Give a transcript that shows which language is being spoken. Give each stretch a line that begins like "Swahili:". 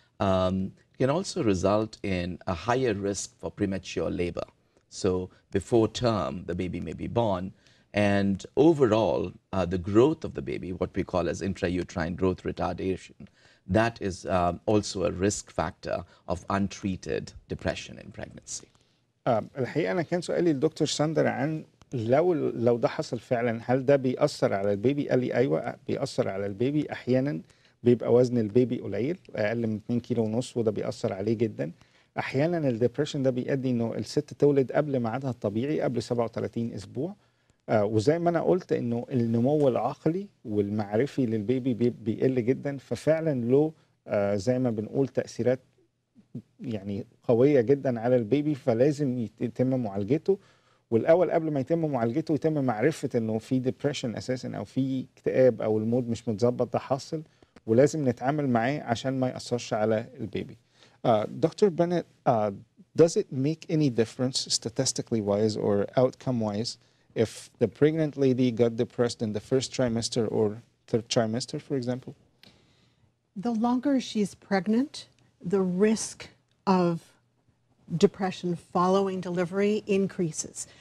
English: It can also result in a higher risk for premature labor. So before term, the baby may be born. And overall, the growth of the baby, what we call as intrauterine growth retardation, that is also a risk factor of untreated depression in pregnancy.
Arabic: الحقيقة أنا كان سؤالي للدكتور ساندر عن لو ده حصل فعلا هل ده بيأثر على البيبي؟ قال لي أيوة بيأثر على البيبي. أحيانا بيبقى وزن البيبي قليل أقل من 2.5 كيلو وده بيأثر عليه جدا. أحيانا الديبريشن ده بيؤدي إنه الست تولد قبل ميعادها الطبيعي قبل 37 أسبوع. وزي ما أنا قلت إنه النمو العقلي والمعرفي للبيبي بيقل جدا، ففعلا له زي ما بنقول تأثيرات يعني قوية جدا على البيبي، فلازم يتم معالجته. والأول قبل ما يتم معالجته يتم معرفة إنه في ديبريشن أساسا أو في اكتئاب أو المود مش متظبط ده حاصل، ولازم نتعامل معاه عشان ما يأثرش على البيبي.
English: Dr. Bennett, does it make any difference statistically wise or outcome wise if the pregnant lady got depressed in the first trimester or third trimester, for example? The longer she's pregnant, the risk of depression following delivery increases.